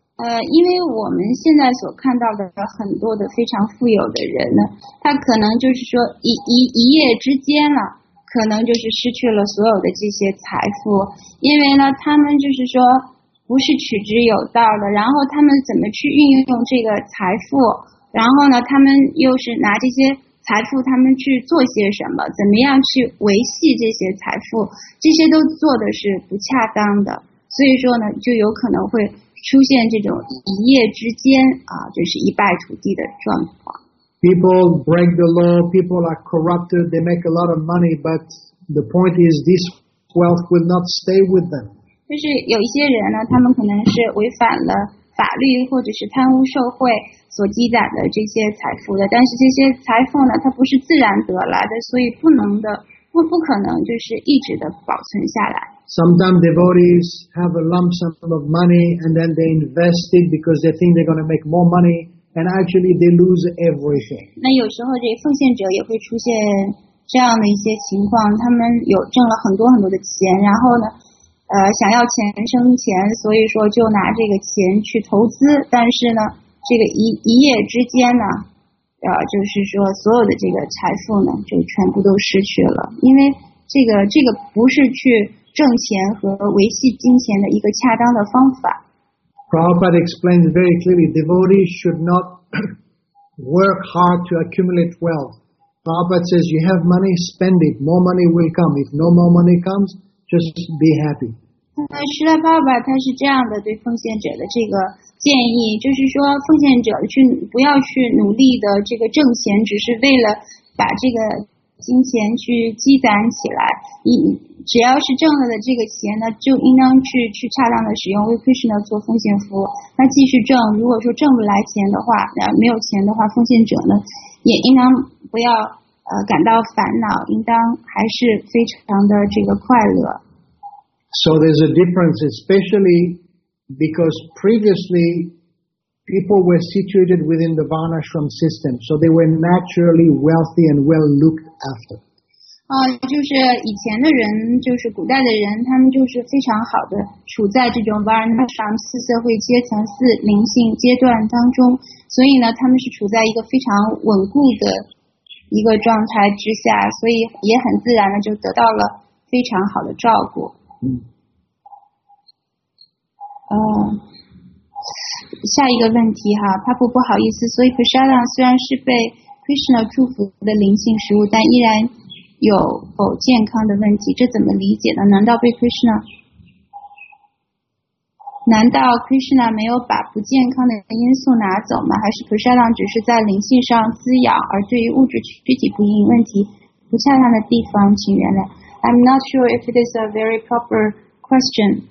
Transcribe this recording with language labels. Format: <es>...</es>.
<zh>因为我们现在所看到的很多的非常富有的人呢，他可能就是说一夜之间了，可能就是失去了所有的这些财富，因为呢，他们就是说不是取之有道的，然后他们怎么去运用这个财富，然后呢，他们又是拿这些财富他们去做些什么，怎么样去维系这些财富，这些都做的是不恰当的，所以说呢，就有可能会出现这种一夜之间啊，就是一败涂地的状况。</zh> <en>People break the law, people are corrupted, they make a lot of money, but the point is this wealth will not stay with them.</en> <zh>就是有一些人呢，他们可能是违反了法律或者是贪污受贿所积攒的这些财富的，但是这些财富呢，它不是自然得来的，所以不可能就是一直的保存下来。</zh> <en>Sometimes devotees have a lump sum of money and then they invest it because they think they're going to make more money. And actually, they lose everything.</en> <zh>那有时候这奉献者也会出现这样的一些情况，他们有挣了很多很多的钱，然后呢，想要钱生钱，所以说就拿这个钱去投资，但是呢，这个一夜之间呢，就是说所有的这个财富呢，就全部都失去了，因为这个不是去挣钱和维系金钱的一个恰当的方法。</zh> <en>Prabhupada explains very clearly, devotees should not work hard to accumulate wealth. Prabhupada says, you have money, spend it. More money will come. If no more money comes, just be happy.</en> <zh>Srila Prabhupada 他是这样的对奉献者的这个建议，就是说奉献者去不要去努力的这个挣钱，只是为了把这个金钱去积攒起来，只要是挣了的这个钱呢，就应当去恰当的使用，为 Krishna 做奉献服务。那继续挣，如果说挣不来钱的话，没有钱的话，奉献者呢，也应当不要感到烦恼，应当还是非常的这个快乐。</zh> <en>So there's a difference, especially because previously people were situated within the Varnashram system, so they were naturally wealthy and well looked after.</en> <zh>就是以前的人，就是古代的人，他们就是非常好的处在这种 Varnashram 四社会阶层四灵性阶段当中，所以呢他们是处在一个非常稳固的一个状态之下，所以也很自然的就得到了非常好的照顾。下一个问题哈，帕布不好意思，所以 Prasada 虽然是被 Krishna 祝福的灵性食物，但依然有否健康的问题，这怎么理解呢？难道 Krishna 没有把不健康的因素拿走吗？还是 Prasada 只是在灵性上滋养，而对于物质具体不应问题不恰当的地方请原谅？</zh> <en>I'm not sure if it is a very proper question.</en>